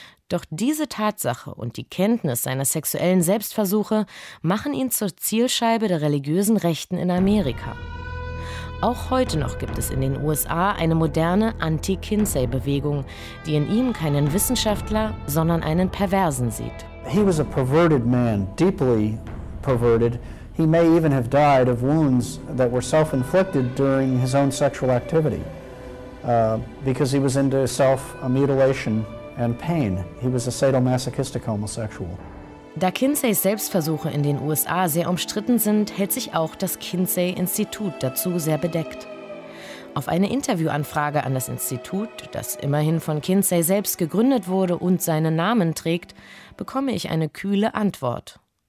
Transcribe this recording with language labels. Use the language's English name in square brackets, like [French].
[German] Doch diese Tatsache und die Kenntnis seiner sexuellen Selbstversuche machen ihn zur Zielscheibe der religiösen Rechten in Amerika. Auch heute noch gibt es in den USA eine moderne Anti-Kinsey-Bewegung, die in ihm keinen Wissenschaftler, sondern einen Perversen sieht. [English] He was a perverted man, deeply perverted. He may even have died of wounds that were self-inflicted during his own sexual activity, because he was into self-mutilation and pain. He was a sadomasochistic homosexual. [German] Da Kinseys Selbstversuche in den USA sehr umstritten sind, hält sich auch das Kinsey-Institut dazu sehr bedeckt. Auf eine Interviewanfrage an das Institut, das immerhin von Kinsey selbst gegründet wurde und seinen Namen trägt, bekomme ich eine kühle Antwort.